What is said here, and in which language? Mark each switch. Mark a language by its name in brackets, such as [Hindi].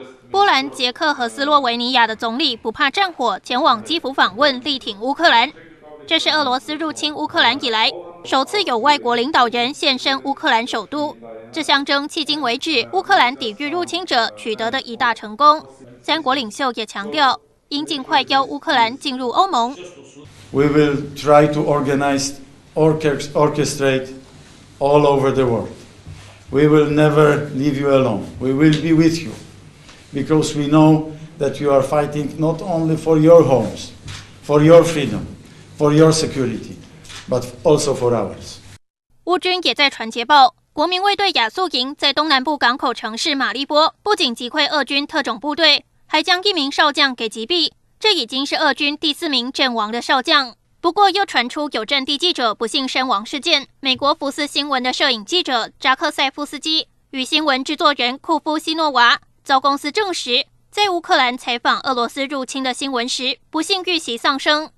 [Chinese] 波兰、捷克和斯洛维尼亚的总理不怕战火，前往基辅访问，力挺乌克兰。这是俄罗斯入侵乌克兰以来首次有外国领导人现身乌克兰首都，这象征迄今为止乌克兰抵御入侵者取得的一大成功。三国领袖也强调，应尽快邀乌克兰进入欧盟。 [English] We will try to organize orchestrate all over the world. We will never leave you alone. We will be with you, because we know that you are fighting not only for your homes, for your freedom, for your security. But also for ours. [Chinese] 乌军也在传捷报，国民卫队亚速营在东南部港口城市马利波不仅击溃俄军特种部队，还将一名少将给击毙，这已经是俄军第4名阵亡的少将。不过又传出有阵地记者不幸身亡事件，美国福斯新闻的摄影记者扎克塞夫斯基与新闻制作人库夫西诺娃遭公司证实，在乌克兰采访俄罗斯入侵的新闻时不幸遇袭丧生。